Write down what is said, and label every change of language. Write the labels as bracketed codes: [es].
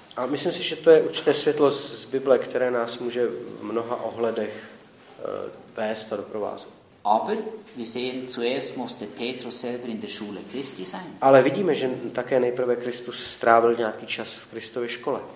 [cs] A myslím si, že to je určité světlo z Bible, které nás může v mnoha ohledech vést a doprovázet. [de] Aber wir sehen, zuerst musste Petrus selber in der Schule Christi sein. [cs] Ale vidíme, že také nejprve Kristus strávil nějaký čas v Kristově škole.